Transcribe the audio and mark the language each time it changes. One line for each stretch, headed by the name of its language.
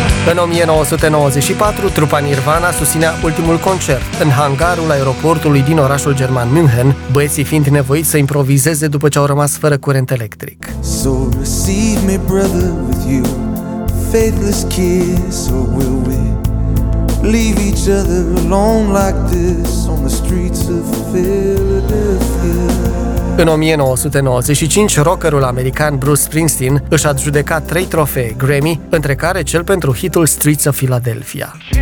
Romanian: În 1994, trupa Nirvana susținea ultimul concert în hangarul aeroportului din orașul german München, băieții fiind nevoiți să improvizeze după ce au rămas fără curent electric.
English: So receive me, brother, with you, faithless kiss, or will we leave each other alone like this on the streets of Philadelphia?
Romanian: În 1995, rockerul american Bruce Springsteen își adjudeca 3 trofee Grammy, între care cel pentru hitul Streets of Philadelphia.